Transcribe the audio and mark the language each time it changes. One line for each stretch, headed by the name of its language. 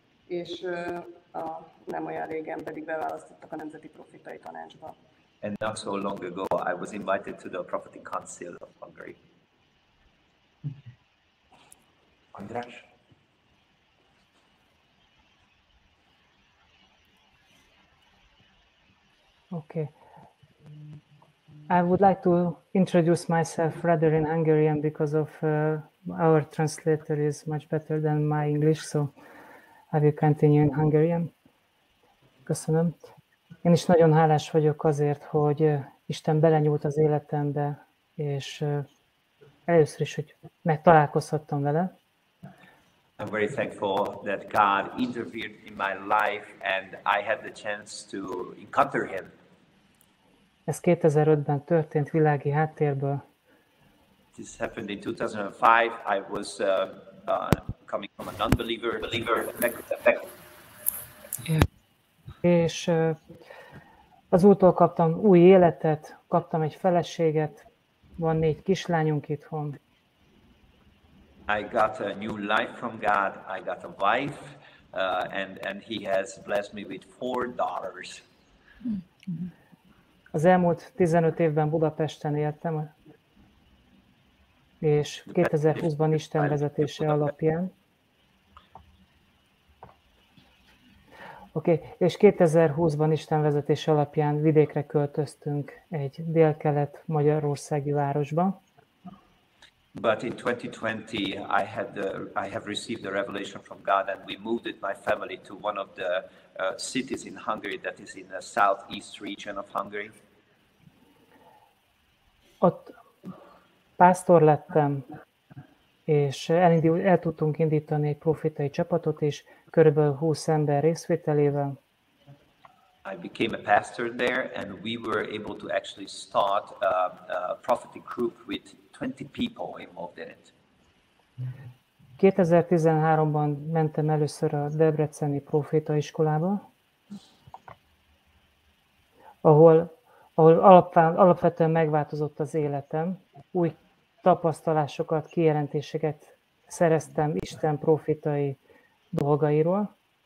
Hungarian: És nem olyan régen pedig beválasztottak a Nemzeti Prófétai Tanácsba.
English: And not so long ago, I was invited to the Prophetic Council of Hungary. András. Okay, I would like to introduce myself rather in Hungarian because of our translator is much better than my English, so I will continue in Hungarian.
Hungarian: Köszönöm. Én is nagyon hálás vagyok azért, hogy Isten belenyúlt az életembe, és először is, hogy megtalálkozhattam vele.
English: I'm very thankful that God intervened in my life and I had the chance to encounter him.
Hungarian: Ez 2005-ben történt világi háttérből.
English: This happened in 2005. I was coming from a non-believer, believer effect.
Hungarian: És azútól kaptam új életet, kaptam egy feleséget, van 4 kislányunk itthon.
English: I got a new life from God, I got a wife, and he has blessed me with 4 daughters.
Hungarian: Az elmúlt 15 évben Budapesten éltem, és 2020-ban Isten vezetése alapján. Oké, és 2020-ban Isten vezetése alapján vidékre költöztünk egy délkelet magyarországi városba.
English: But in 2020 I have received a revelation from God and we moved with my family to one of the cities in Hungary that is in the southeast region of Hungary.
Hungarian: Ott pásztor lettem, és el tudtunk indítani egy profitai csapatot is, körülbelül 20 ember részvételével.
English: I became a pastor there, and we were able to actually start a prophetic group with 20 people involved in it.
Hungarian: 2013-ban mentem először a Debreceni Proféta Iskolába, ahol alapvetően megváltozott az életem, új tapasztalásokat, kijelentéseket szereztem Isten profétai dolgairól.